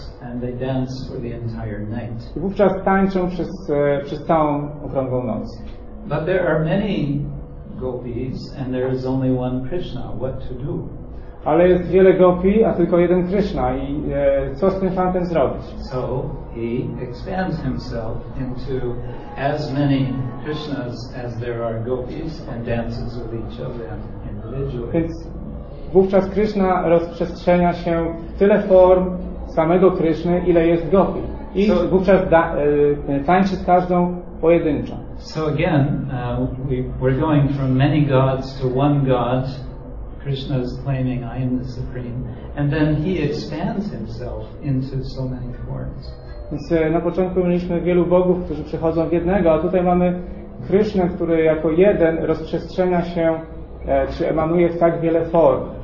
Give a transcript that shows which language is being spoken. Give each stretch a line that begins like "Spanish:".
English: And they dance for the entire night.
Polish: I wówczas tańczą przez całą okrągłą noc.
English: But there are many gopis and there is only one Krishna. What to do?
Polish: Ale jest wiele gopi, a tylko jeden Krishna. I co z tym fantem zrobić?
English: So he expands himself into as many Krishnas as there are gopis and dances with each of them individually.
Polish: Więc wówczas Krishna rozprzestrzenia się w tyle form samego Kryszny, ile jest gopi. I so, wówczas tańczy z każdą pojedynczo.
English: So again, we're going from many gods to one god. Krishna is claiming I am the supreme. And then he expands himself into so many forms.
Polish: Więc na początku mieliśmy wielu bogów, którzy przychodzą w jednego, a tutaj mamy Krishna, który jako jeden rozprzestrzenia się, czy emanuje w tak wiele form.